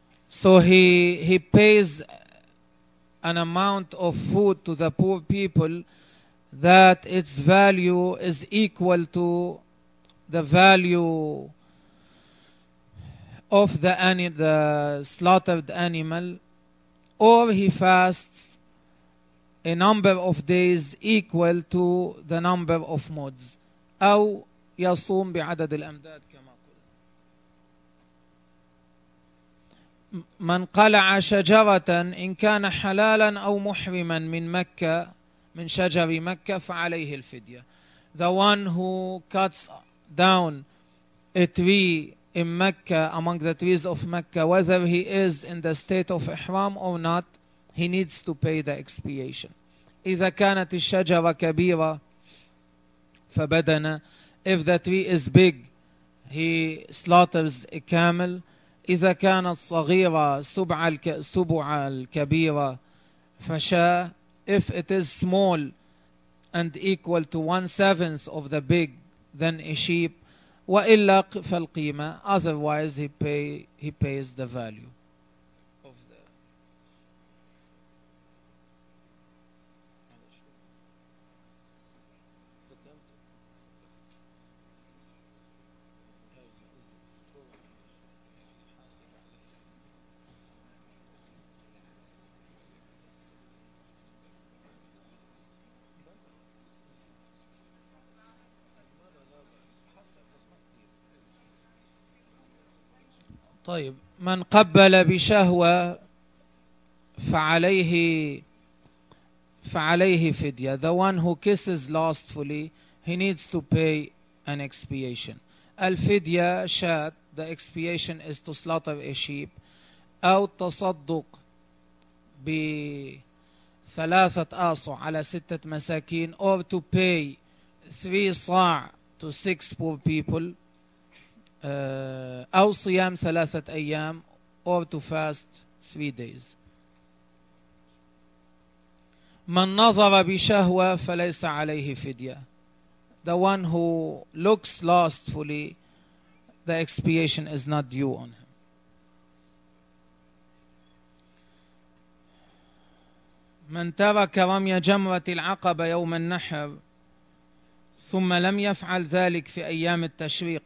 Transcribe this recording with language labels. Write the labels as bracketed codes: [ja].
[en] So he pays an amount of food to the poor people that its value is equal to the value of the slaughtered animal, or he fasts a number of days equal to the number of mods, [ar] أو يصوم بعدد الأمداد كما قلت. من قلع شجرة إن كان حلالا أو محرما من مكة من شجر مكة فعليه الفدية. [en] The one who cuts down a tree in Mecca among the trees of Mecca, whether he is in the state of ihram or not, he needs to pay the expiation. [ar] إذا كانت الشجرة كبيرة فبدنا. [en] If the tree is big, he slaughters a camel. [ar] إذا كانت صغيرة سبع الكبيرة فشاة. [en] If it is small and equal to 1/7 of the big, then a sheep. [ar] وإلا فالقيمة. [en] Otherwise, he pays the value. [ar] طيب من قبل بشهوة فعليه فدية. [en] The one who kisses lustfully, he needs to pay an expiation. [ar] الفدية شاة. [en] The expiation is to slaughter a sheep. [ar] أو التصدق بثلاثة آصع على ستة مساكين. [en] Or to pay 3 صاع to 6 poor people. [ar] أو صيام ثلاثة أيام [en] or to fast 3 days. [ar] من نظر بشهوة فليس عليه فدية. [en] The one who looks lustfully, the expiation is not due on him. [ar] من ترك رمي جمرة العقبة يوم النحر ثم لم يفعل ذلك في أيام التشريق.